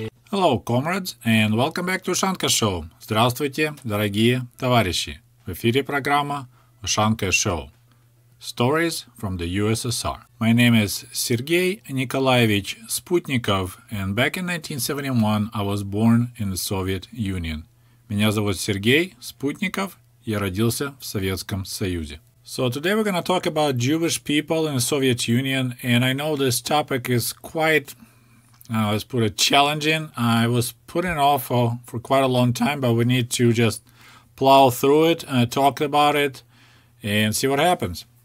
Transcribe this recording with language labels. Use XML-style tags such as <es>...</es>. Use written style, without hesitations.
<en>Hello, comrades, and welcome back to Ushanka Show.</en> <ru>Здравствуйте, дорогие товарищи. В эфире программа Ushanka Show.</ru> <en>Stories from the USSR. My name is Sergei Nikolaevich Sputnikov, and back in 1971 I was born in the Soviet Union.</en> <ru>Меня зовут Сергей Спутников, я родился в Советском Союзе.</ru> <en>So today we're going to talk about Jewish people in the Soviet Union, and I know this topic is quite... let's put it challenging. I was putting off for quite a long time, but we need to just plow through it, talk about it, and see what happens.</en>